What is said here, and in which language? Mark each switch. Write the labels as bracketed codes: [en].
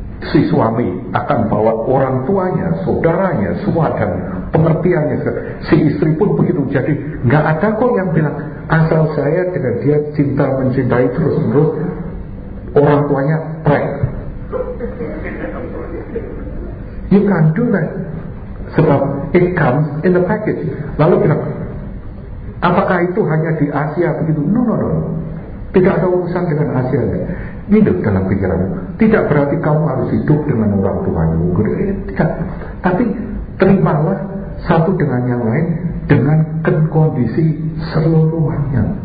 [id] Si suami akan bawa orang tuanya, saudaranya, semua dan pengertiannya. Si istri pun begitu. Jadi gak ada kok yang bilang asal saya dengan dia cinta mencintai terus-menerus, orang tuanya prank. [en] You can't do that. [id] Sebab [en] it comes in the package. [id] Lalu bilang, apakah itu hanya di Asia begitu? No. Tidak ada urusan dengan Asia. Hidup dalam pikiranmu. Tidak berarti kamu harus hidup dengan orang tuamu. Tidak. Tapi terimalah satu dengan yang lain dengan kondisi seluruhannya.